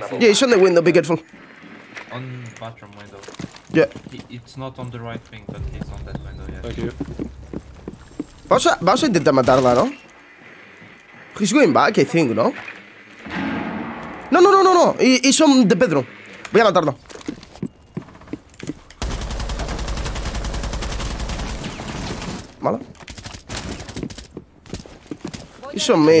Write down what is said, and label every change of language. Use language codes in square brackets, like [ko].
[en] Yeah, it's on the window, be careful. On bathroom window. Yeah. It's not on the right thing, but it's on that window, yeah. Thank you. [es] Vamos a intentar matarla, ¿no? [en] He's going back, I think, ¿no? No. He's on the bedroom. [es] Voy a matarlo. ¿Vale? [en] He's on me.